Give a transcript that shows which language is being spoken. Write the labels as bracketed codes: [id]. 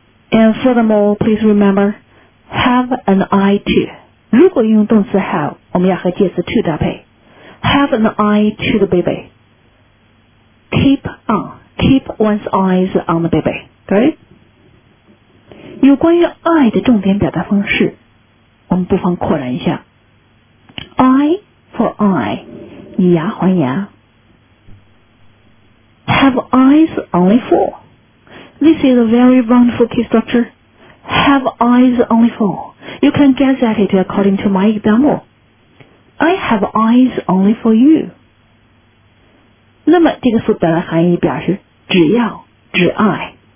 [en] And furthermore, please remember, have an eye to. [zh] 如果用动词 have, 我们要和介词 to 搭配。 [en] Have an eye to the baby. Keep on, keep one's eyes on the baby. Okay? [zh] 有关于爱的重点表达方式，我们不妨扩展一下。 [en] Eye for eye, [zh] 以牙还牙。 [en] Have eyes only for. This is a very wonderful key structure. Have eyes only for. You can guess at it according to my example. I have eyes only for you. [zh] 那么这个词本来含义表示只要只爱。